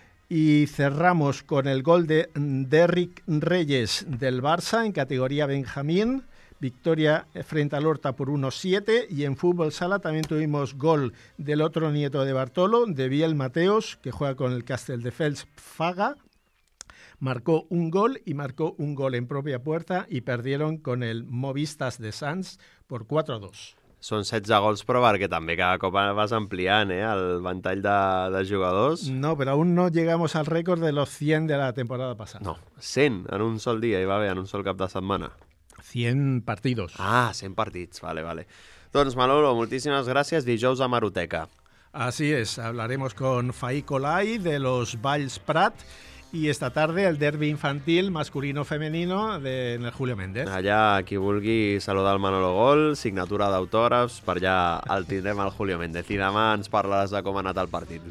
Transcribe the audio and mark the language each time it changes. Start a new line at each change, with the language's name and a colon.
Spanish: Y cerramos con el gol de Derrick Reyes del Barça en categoría Benjamín, victoria frente al Horta por 1-7, y en fútbol sala también tuvimos gol del otro nieto de Bartolo, de Biel Mateos, que juega con el Castelldefels Faga. Marcó un gol y marcó un gol en propia puerta y perdieron con el Movistas de Sants por 4-2.
Catalan: Són 16 gols per Barque, també cada cop vas ampliant el ventall de jugadors.
Spanish: No, però aún no llegamos al récord de los 100 de la temporada passada.
Catalan: No, 100 en un sol dia, hi va haver, en un sol cap de setmana.
Spanish: 100 partidos.
Catalan: Ah, 100 partits, vale, vale. Doncs Manolo, moltíssimes gràcies, dijous a Maroteca.
Spanish: Así es, hablaremos con Faí Colai de los Valls Prat. Y esta tarde el derbi infantil masculino-femenino en el Julio Méndez.
Catalan: Allà, qui vulgui saludar el Manolo Gol, signatura d'autògrafs, per allà el tindrem al Julio Méndez. I demà ens parlaràs de com ha anat el partit.